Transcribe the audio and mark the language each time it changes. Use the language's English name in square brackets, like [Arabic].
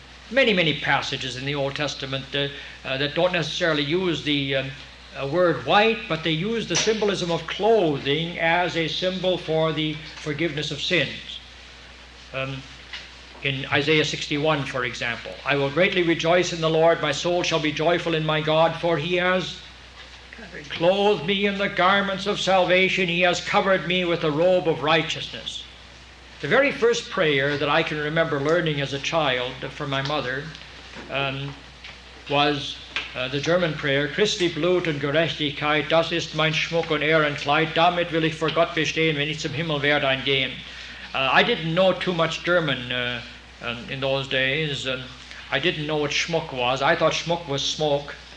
[English] Many, many passages in the Old Testament that don't necessarily use the a word white, but they use the symbolism of clothing as a symbol for the forgiveness of sins. In Isaiah 61, for example, I will greatly rejoice in the Lord, my soul shall be joyful in my God, for he has clothed me in the garments of salvation, he has covered me with the robe of righteousness. [German] The very first prayer that I can remember learning as a child from my mother was the German prayer, Christi Blut und Gerechtigkeit, das ist mein Schmuck und Ehrenkleid, damit will ich vor Gott bestehen, wenn ich zum Himmel werde ein gehen. [English] I didn't know too much German in those days. I didn't know what Schmuck was. I thought Schmuck was smoke.